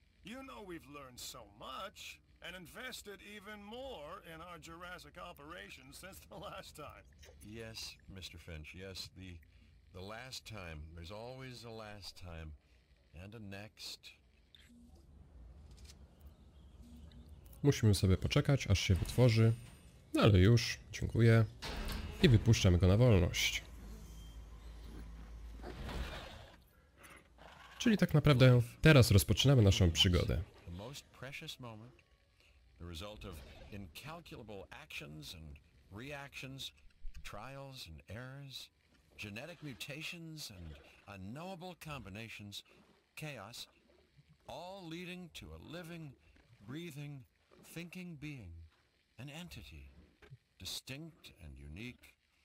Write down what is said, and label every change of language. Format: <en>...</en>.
<en>You know we've learned so much and invested even more in our Jurassic operations since the last time. Yes, Mr. Finch. Yes, the last time. There's always a last time. And a next.</en> <pl>Musimy sobie poczekać, aż się wytworzy. No ale już, dziękuję. I wypuszczamy go na wolność. Czyli tak naprawdę teraz rozpoczynamy naszą przygodę.</pl> <en>The most precious moment, the result of incalculable actions and reactions, trials and errors. genetic mutations and unknowable combinations, chaos, all leading to a living, breathing, thinking being, an entity, distinct and unique.</en>